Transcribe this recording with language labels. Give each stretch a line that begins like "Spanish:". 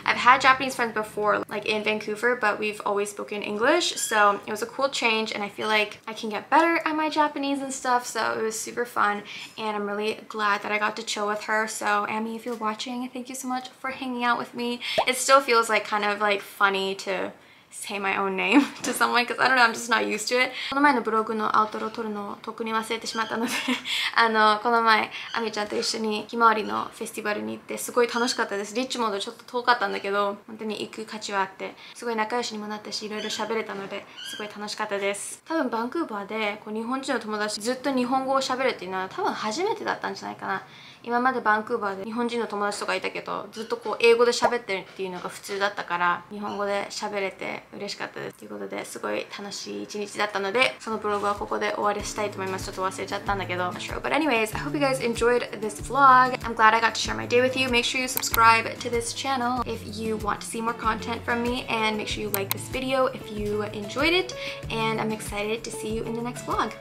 English: I've had Japanese friends before, like in Vancouver, but we've always spoken English, so it was a cool change, and I feel like I can get better at my Japanese and stuff, so it was super fun, and I'm really glad that I got to chill with her. So Amy, if you're watching, thank you so much for hanging out with me. It still feels like kind of like funny to say my own name to someone, because I don't know, I'm just not used to it.
Japanese: この前のブログのアウトロ撮るのをとっくに忘れてしまったので、あの、この前アミちゃんと一緒にひまわりのフェスティバルに行って、すごい楽しかったです。リッチモードちょっと遠かったんだけど、本当に行く価値はあって、すごい仲良しにもなったし、いろいろ喋れたので、すごい楽しかったです。多分バンクーバーでこう日本人の友達ずっと日本語を喋るっていうのは多分初めてだったんじゃないかな。今までバンクーバーで日本人の友達とかいたけど、ずっとこう英語で喋ってるっていうのが普通だったから、日本語で喋れて嬉しかったです。ということで、すごい楽しい一日だったので、そのブログはここで終わりしたいと思います。ちょっと忘れちゃったんだけど。
English: Not sure, but anyways, I hope you guys enjoyed this vlog. I'm glad I got to share my day with you. Make sure you subscribe to this channel if you want to see more content from me, and make sure you like this video if you enjoyed it, and I'm excited to see you in the next vlog.